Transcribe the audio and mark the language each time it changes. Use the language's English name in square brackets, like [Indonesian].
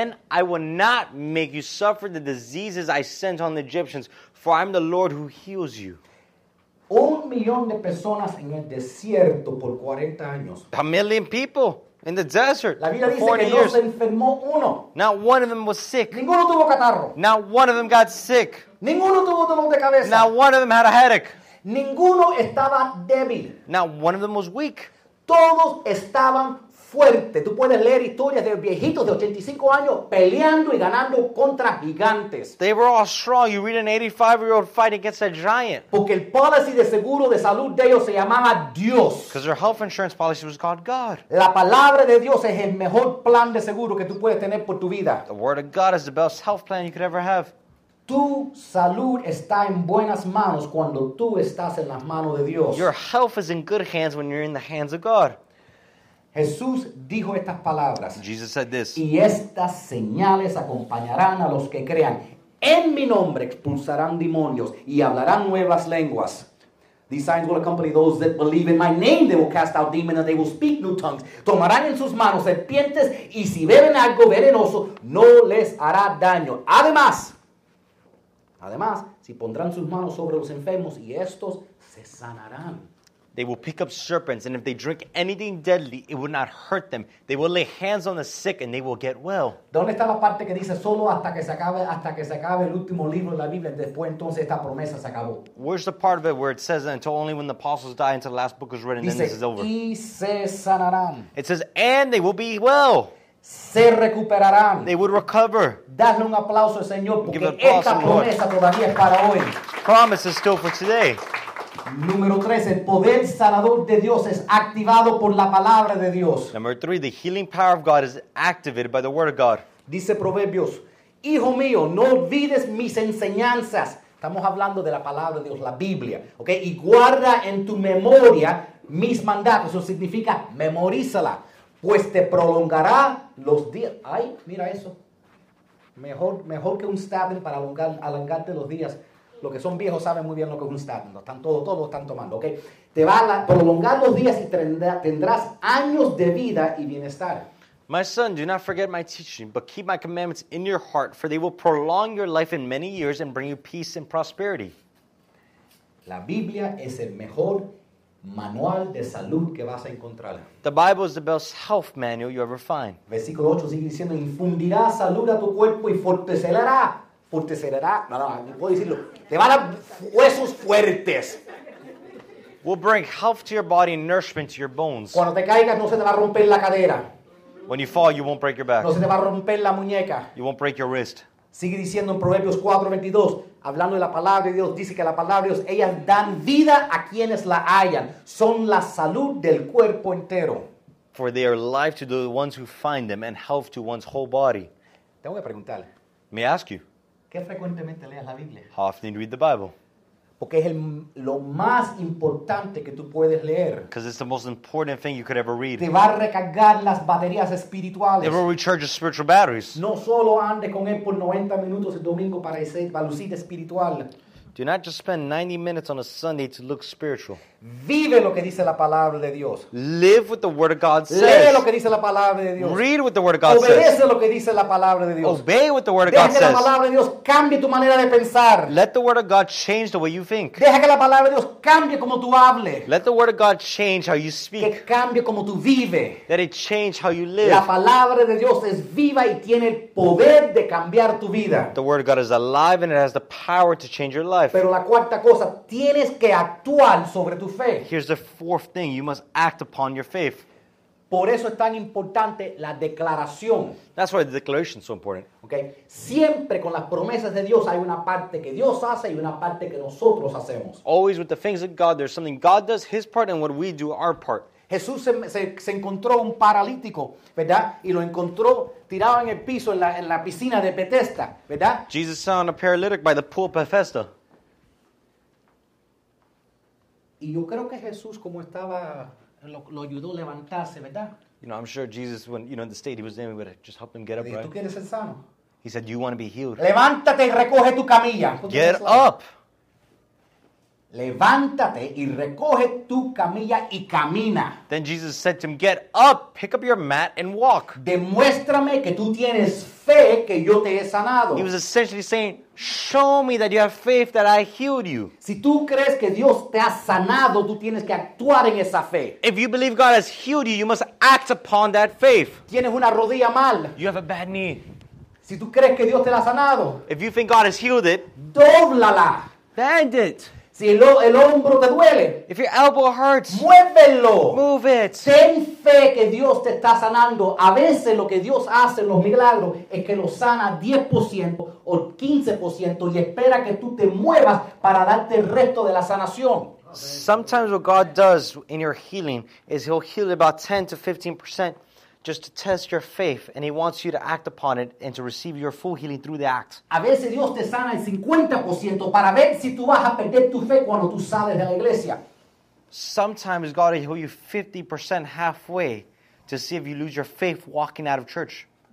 [English] Then I will not make you suffer the diseases I sent on the Egyptians, for I'm the Lord who heals you. [Spanish] 1 million de personas en el desierto por 40 años. [English] A million people in the desert. [Spanish] La Biblia dice que no se enfermó uno. [English] Not one of them was sick. [Spanish] Ninguno tuvo catarro. [English] Not one of them got sick. [Spanish] Ninguno tuvo dolor de cabeza. [English] Not one of them had a headache. [Spanish] Ninguno estaba débil. [English] Not one of them was weak. [Spanish] Todos estaban fuertes. Tú puedes leer historias de viejitos de 85 años peleando y ganando contra gigantes. [English] They were all strong. You read an 85-year-old fighting against a giant. [Spanish] Porque el policy de seguro de salud de ellos se llamaba Dios. [English] Because their health insurance policy was called God. [Spanish] La palabra de Dios es el mejor plan de seguro que tú puedes tener por tu vida. [English] The word of God is the best health plan you could ever have. [Spanish] Tu salud está en buenas manos cuando tú estás en las manos de Dios. [English] Your health is in good hands when you're in the hands of God. [Spanish] Jesús dijo estas palabras. [English] Jesus said this. [Spanish] Y estas señales acompañarán a los que crean. En mi nombre expulsarán demonios y hablarán nuevas lenguas. [English] These signs will accompany those that believe in my name. They will cast out demons and they will speak new tongues. [Spanish] Tomarán en sus manos serpientes y si beben algo venenoso, no les hará daño. Además, si pondrán sus manos sobre los enfermos y estos se sanarán. [English] They will pick up serpents, and if they drink anything deadly, it will not hurt them. They will lay hands on the sick, and they will get well. [Spanish] ¿Dónde está la parte que dice solo hasta que se acabe el último libro de la Biblia? Después entonces esta promesa se acabó. [English] Where's the part of it where it says that until only when the apostles die until the last book is written, [Spanish] dice, [English] then this is over? [Spanish] Y se sanarán. [English] It says, and they will be well. [Spanish] Se recuperarán. [English] They would recover. [Spanish] Dale un aplauso al Señor porque esta promesa todavía es para hoy. [English] Promise is still for today. [Spanish] Número 3, el poder sanador de Dios es activado por la palabra de Dios. [English] Number 3, the healing power of God is activated by the word of God. [Spanish] Dice Proverbios, hijo mío, no olvides mis enseñanzas. Estamos hablando de la palabra de Dios, la Biblia. Okay? Y guarda en tu memoria mis mandatos. Eso significa memorízala. Pues te prolongará los días. Ay, mira eso. Mejor que un statin para alargarte los días. Lo que son viejos saben muy bien lo que es un statin. Todos lo están tomando, ¿ok? Te va a prolongar los días y tendrás años de vida y bienestar. [English] My son, do not forget my teaching, but keep my commandments in your heart, for they will prolong your life in many years and bring you peace and prosperity. [Spanish] La Biblia es el mejor manual de salud que vas a encontrar. [English] The Bible is the best health manual you ever find. [Spanish] Versículo 8 sigue diciendo, infundirá salud a tu cuerpo y fortalecerá. No puedo decirlo. Te van a dar huesos fuertes. [English] Will bring health to your body and nourishment to your bones. [Spanish] Cuando te caigas, no se te va a romper la cadera. [English] When you fall, you won't break your back. [Spanish] No se te va a romper la muñeca. [English] You won't break your wrist. [Spanish] Sigue diciendo en Proverbios 4:22. Hablando de la palabra de Dios, dice que la palabra de Dios, ellas dan vida a quienes la hallan. Son la salud del cuerpo entero. [English] For they are life to the ones who find them and health to one's whole body. [Spanish] Tengo que preguntarle. [English] May I ask you? [Spanish] ¿Qué frecuentemente lees la Biblia? [English] How often do you read the Bible? [Spanish] Porque es lo más importante que tú puedes leer. [English] Because it's the most important thing you could ever read. [Spanish] Te va a recargar las baterías espirituales. [English] It will recharge your spiritual batteries. [Spanish] No solo ande con él por 90 minutos el domingo para ser lucido espiritual. [English] Do not just spend 90 minutes on a Sunday to look spiritual. [Spanish] Vive lo que dice la palabra de Dios. [English] Live what the Word of God says. [Spanish] Lee lo que dice la palabra de Dios. [English] Read what the Word of God [Spanish] Obedece [English] says. [Spanish] Obedece lo que dice la palabra de Dios. [English] Obey what the Word of God [Spanish] Deja [English] says. [Spanish] Deja que la palabra de Dios cambie tu manera de pensar. [English] Let the Word of God change the way you think. [Spanish] Deja que la palabra de Dios cambie como tú hable. [English] Let the Word of God change how you speak. [Spanish] Que cambie como tú vive. [English] Let it change how you live. [Spanish] La palabra de Dios es viva y tiene el poder de cambiar tu vida. [English] The Word of God is alive and it has the power to change your life. [Spanish] Pero la cuarta cosa, tienes que actuar sobre tu fe. [English] Here's the fourth thing, you must act upon your faith. [Spanish] Por eso es tan importante la declaración. [English] That's why the declaration is so important. Okay. [Spanish] Siempre con las promesas de Dios hay una parte que Dios hace y una parte que nosotros hacemos. [English] Always with the things of God, there's something God does, his part, and what we do, our part. [Spanish] Jesús se encontró un paralítico, ¿verdad? Y lo encontró tirado en el piso en la piscina de Bethesda, ¿verdad? [English] Jesus found a paralytic by the pool of Bethesda. [Spanish] Y yo creo que Jesús como estaba lo ayudó a levantarse, ¿verdad? [English] You know, I'm sure Jesus when you know in the state he was in, he would have just helped him get up, [Spanish] ¿tú [English] right? [Spanish] ¿Tú quieres ser sano? [English] He said, "You want to be healed." [Spanish] Levántate y recoge tu camilla. [English] Get up. [Spanish] Levántate y recoge tu camilla y camina. [English] Then Jesus said to him, "Get up, pick up your mat and walk." [Spanish] Demuéstrame que tú tienes fe que yo te he sanado. [English] He was essentially saying, "Show me that you have faith that I healed you." [Spanish] Si tú crees que Dios te ha sanado, tú tienes que actuar en esa fe. [English] If you believe God has healed you, you must act upon that faith. [Spanish] Tienes una rodilla mal. [English] You have a bad knee. [Spanish] Si tú crees que Dios te la ha sanado, [English] if you think God has healed it, [Spanish] dóblala. [English] Bend it. [Spanish] Si el hombro te duele, [English] if your elbow hurts, [Spanish] muévelo. [English] Move it. [Spanish] Ten fe que Dios te está sanando. A veces lo que Dios hace en los milagros es que lo sana 10% o 15% y espera que tú te muevas para darte el resto de la sanación. [English] Sometimes what God does in your healing is he'll heal about 10 to 15% just to test your faith, and he wants you to act upon it and to receive your full healing through the act. [Spanish] A veces Dios te sana el 50% para ver si tú vas a perder tu fe cuando tú sales de la iglesia. [English] Sometimes God will heal you 50% halfway to see if you lose your faith walking out of church.